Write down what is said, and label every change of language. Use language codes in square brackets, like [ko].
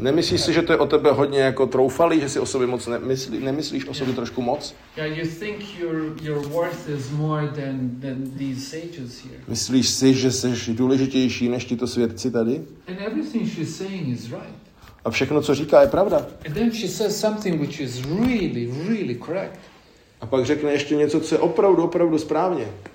[cs] Nemyslíš si, že to je o tebe hodně jako troufalý, že si o sobě moc nemyslíš o sobě trošku moc? [en] Yeah, you think your worth is more than these sages here. [cs] Myslíš si, že jsi důležitější než tito svědci tady? [en] And everything she's saying is right. [cs] A všechno, co říká, je pravda. [en] And then she says something which is really, really correct. [cs] A pak řekne ještě něco, co je opravdu, opravdu správně.